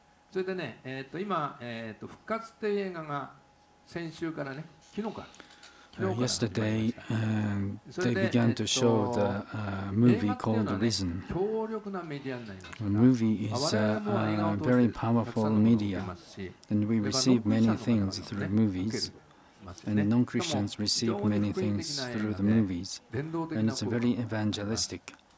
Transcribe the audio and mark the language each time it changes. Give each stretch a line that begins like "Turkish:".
Japanese: それでね、今、復活っていう映画が先週からね、昨日から
English: Yesterday, they began to show the movie called Risen.
Japanese: 強力なメディアになります。
English: The movie is a very powerful media, and we receive many things through movies, and non-Christians receive many things through the movies, and it's very evangelistic.